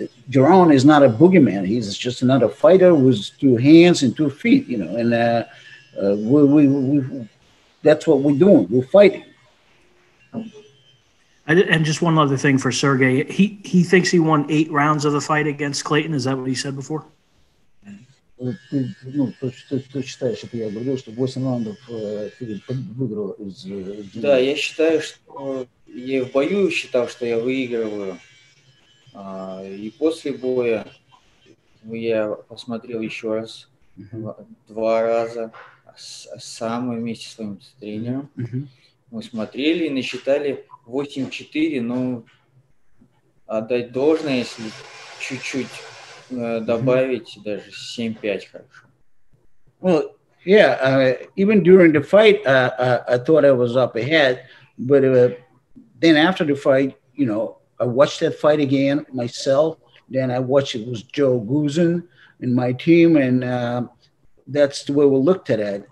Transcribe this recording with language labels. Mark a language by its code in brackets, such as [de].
[en] Jaron is not a boogeyman. He's just another fighter with two hands and two feet, you know. And that's what we're doing. We're fighting. And just one other thing for Sergey. He thinks he won 8 rounds of the fight against Clayton. Is that what he said before? [ru] Ты считаешь, что я говорил, что 8 раундов выиграл из... Да, я считаю, что я в бою считал, что я выигрываю. И после боя я посмотрел еще раз, 2 раза сам вместе с своим тренером. Мы смотрели и насчитали 8-4, но отдать должное, если чуть-чуть добавить, даже 7-5 хорошо. [en] Even during the fight, I thought I was up ahead, but then after the fight, you know, I watched that fight again myself. Then I watched it with Joe Guzin and my team, and that's the way we looked at it.